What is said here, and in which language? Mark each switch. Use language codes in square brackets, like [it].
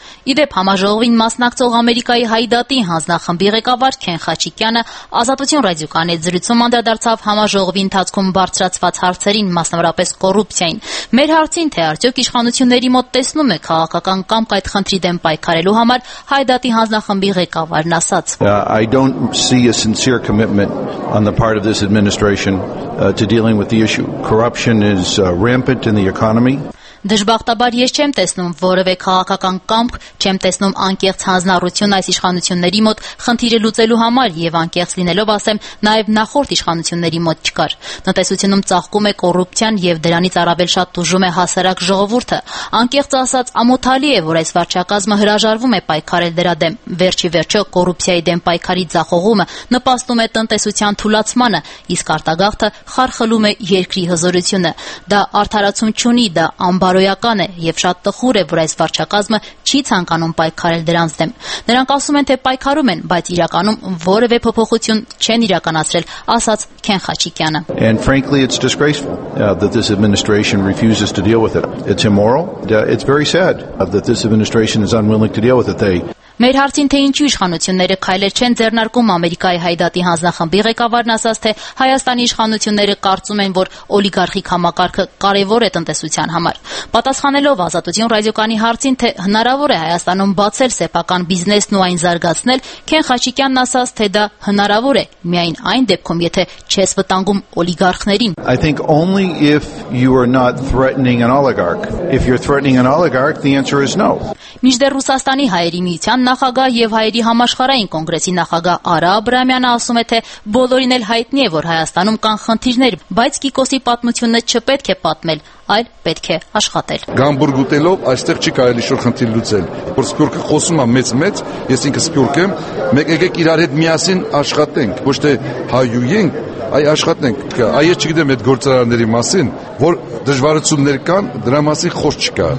[hy] Իդեպ համաժողովին մասնակցող Ամերիկայի հայդատի հանձնախմբի ղեկավար Քեն Խաչիկյանը Ազատություն ռադիոկանալի զրույցում անդրադարձավ համաժողովի ընթացքում բարձրացված հարցերին, մասնավորապես կոռուպցիային։ Մեր հարցին, թե արդյոք իշխանությունների մոտ տեսնում է քաղաքական կամ այդ խնդրի դեմ պայքարելու համար, հայդատի հանձնախմբի ղեկավարն ասաց. [en] I don't see a sincere commitment on the part of this administration to dealing with the issue. Corruption is rampant in the economy. [hy] Դժբախտաբար ես չեմ տեսնում որևէ քաղաքական կամք, չեմ տեսնում անկեղծ հանձնառություն այս իշխանությունների մոտ խնդիրը լուծելու համար, եւ անկեղծ լինելով ասեմ, նաեւ նախորդ իշխանությունների մոտ չկար։ Տնտեսությունում ծաղկում է կոռուպցիան եւ դրանից առավել շատ դժում է հասարակ ժողովուրդը։ Անկեղծ ասած, ամոթալի է, որ այս վարչակազմը հրաժարվում է պայքարել դրա դեմ։ Վերջ ի վերջո կոռուպցիայի դեմ պայքարի ձախողումը նպաստում է տնտեսության թուլացմանը, իսկ արտագաղթը խարխլում է երկրի հզորությունը։ Դա արդարացում չունի, դա բարոյական է, եւ շատ տխուր է, որ այս վարչակազմը չի ցանկանում պայքարել դրանց դեմ։ Նրանք ասում են, թե պայքարում են, բայց իրականում որևէ փոփոխություն չեն իրականացրել, ասաց Քեն Խաչիկյանը։ [en] And frankly it's disgraceful that this administration refuses to deal with it. It's immoral. It's very sad that this administration is unwilling to deal with it. They [hy] Մեր հարցին, թե ինչու իշխանությունները քայլեր չեն ձեռնարկում Ամերիկայի հայդատի հանձնախմբի ղեկավարն ասաց, թե Հայաստանի իշխանությունները կարծում են, որ օլիգարխիկ համակարգը կարևոր է տնտեսության համար։ Պատասխանելով Ազատություն ռադիոկանի հարցին, թե հնարավոր է Հայաստանում բացել սեփական բիզնեսն ու այն զարգացնել, Քեն Խաչիկյանն ասաց, թե դա հնարավոր է միայն այն դեպքում, եթե չես վտանգում օլիգարխներին։ [en] I think only if you are not threatening an oligarch. If you're threatening an oligarch, the answer is no. [hy] Մինչդեռ Ռուսաստանի հայերի միության նախագահ եւ հայերի համաշխարհային կոնգրեսի նախագահ Արա Աբրամյանը ասում է, թե բոլորին էլ հայտնի է, որ Հայաստանում կան խնդիրներ, բայց Կիկոսի պատմությունը չպետք է պատմել, այլ պետք է աշխատել։ Գամբուրգ ուտելով այստեղ չի կարելի շոր խնդիր լուծել։ Որ Սպյուրքը խոսում է մեծ-մեծ, ես ինքս Սպյուրք եմ, մեկ եկեք իրար հետ միասին աշխատենք, ոչ թե հայու ենք, այ աշխատենք։ Այ ես չգիտեմ այդ գործարանների մասին, որ դժվարություններ կան, դրա մասի խոսք